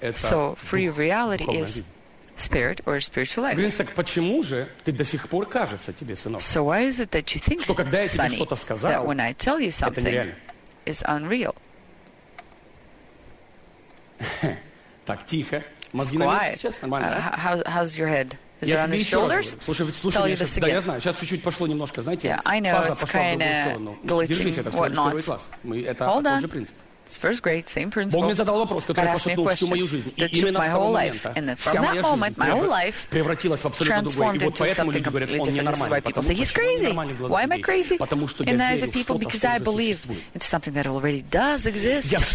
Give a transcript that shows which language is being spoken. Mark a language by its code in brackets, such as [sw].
[en] So for you, reality is spirit or spiritual life. [ru] Блин, так почему же ты до сих пор кажется тебе, сынок? [en] So why is it that you think, [ru] что когда я тебе что-то сказал, [en] that when I tell you something, [ru] это нереально? [en] Is unreal. [ru] Так, тихо. Мозги на месте сейчас, нормально, да? [en] How's your head? Is [ru] я [en] it on his shoulders? [ru] Слушай, [en] tell me you this again. [ru] Да, я знаю. Сейчас чуть-чуть пошло немножко, знаете? [en] Yeah, I know, it's kind of glitching, whatnot. Hold on. It's first grade, same principle. God asked me a question that took my whole life. And then from that moment, my whole life transformed into something completely different. This is why people say, he's crazy. Why am I crazy? In the eyes of people, because I believe into something that already does exist.